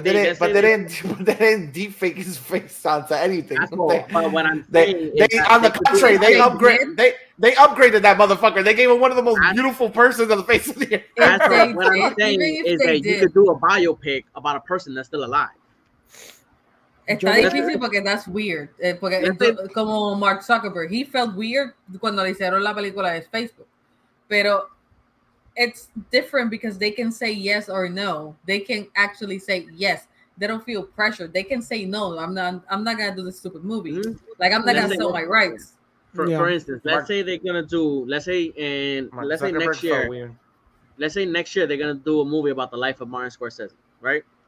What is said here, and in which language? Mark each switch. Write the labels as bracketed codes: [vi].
[en] they didn't deepfake his face onto anything. They upgraded that motherfucker. They gave him one of the most beautiful persons on the face of the earth. What I'm saying is that you could do a biopic about a person that's still alive. [es] Está difícil porque [en] that's weird. [es] Porque como Mark Zuckerberg, [en] he felt weird [es] cuando le hicieron la película de Facebook. Pero [en] it's different because they can say yes or no. They can actually say yes. They don't feel pressured. They can say no. I'm not gonna do this stupid movie. Mm-hmm. Like, I'm not gonna sell my rights. For instance, let's say next year they're gonna do a movie about the life of Martin Scorsese, right?